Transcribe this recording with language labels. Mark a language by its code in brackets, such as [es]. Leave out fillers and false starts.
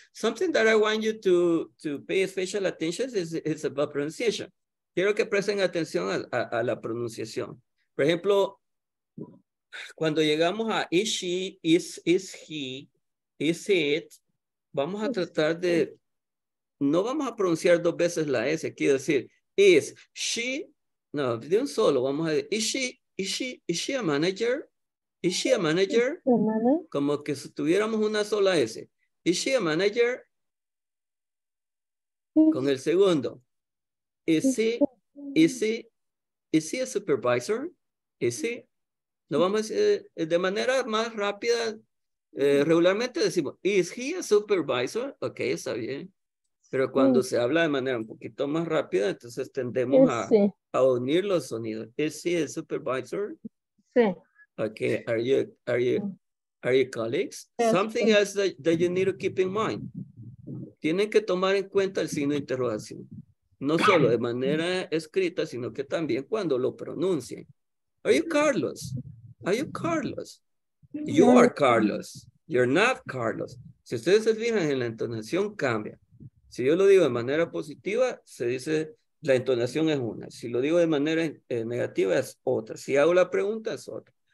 [en] Something that I want you to pay special attention is about pronunciation. [es] Quiero que presten atención a la pronunciación. Por ejemplo, cuando llegamos a [en] is she, is he, is it, [es] vamos a tratar de, no vamos a pronunciar dos veces la S. Quiero decir, [en] is she, [es] no, de un solo, vamos a decir, [en] is she a manager? Is she a manager? [es] Como que si tuviéramos una sola S. [en] Is she a manager? [es] Con el segundo. [en] Is he a supervisor? Is he? [es] No, vamos a decir, de manera más rápida, regularmente decimos, [en] is he a supervisor? [es] Ok, está bien. Pero cuando se habla de manera un poquito más rápida, entonces tendemos a unir los sonidos. [en] Is he a supervisor? [es] Sí. [en] Okay, are you colleagues? Yes. Something else that you need to keep in mind. [es] Tienen que tomar en cuenta el signo de interrogación. No solo de manera escrita, sino que también cuando lo pronuncien. [en] Are you Carlos? Are you Carlos? You are Carlos. You're not Carlos. [es] Si ustedes se fijan en la entonación, cambia. Si yo lo digo de manera positiva, se dice, la entonación es una. Si lo digo de manera negativa, es otra. Si hago la pregunta, es otra.